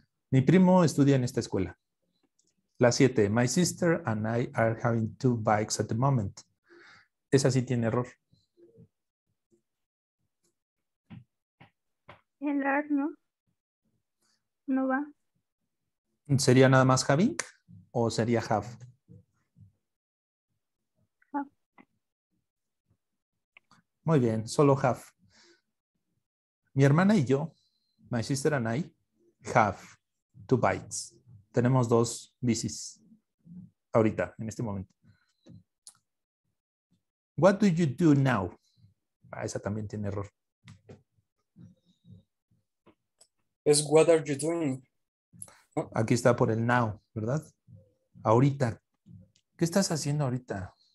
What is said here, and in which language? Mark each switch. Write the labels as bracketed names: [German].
[Spanish] Mi primo estudia en esta escuela. La 7. [English] My sister and I are having two bikes at the moment. [Spanish] Esa sí tiene error. El art, ¿no? No va. ¿Sería nada más having o sería have? Muy bien, solo have. Mi hermana y yo, [English] my sister and I, have two bikes. [Spanish] Tenemos dos bicis ahorita, en este momento. [English] What do you do now? Ah, [Spanish] esa también tiene error. [English] Es what are you doing? [Spanish] Aquí está por el now, ¿verdad? Ahorita. ¿Qué estás haciendo ahorita?